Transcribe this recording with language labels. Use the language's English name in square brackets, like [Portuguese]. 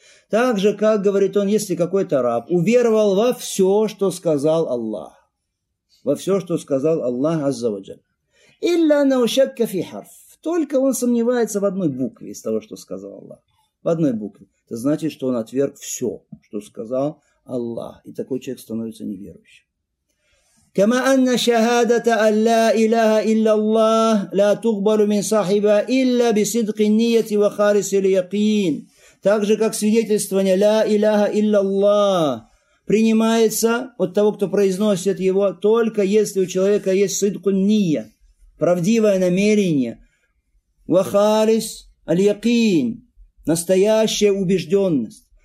[Russian] Так же, как говорит он, если какой-то раб уверовал во все, что сказал Аллах. Во все, что сказал Аллах, Азза ва Джаль. [Arabic] Илля наушакка фи харф. [Russian] Только он сомневается в одной букве из того, что сказал Аллах. В одной букве. Это значит, что он отверг все, что сказал Аллах. И такой человек становится неверующим. [Arabic] كما أن شهادة أن لا إله إلا الله لا تقبل من صاحبها إلا بصدق النية وخالص اليقين. [Russian] Так же, как свидетельствование لا إله إلا الله принимается от того, кто произносит его, только если у человека есть [Arabic] صدق النية, [Russian] правдивое намерение. [Arabic] Вахарис аль-якин, [Russian] настоящая убежденность.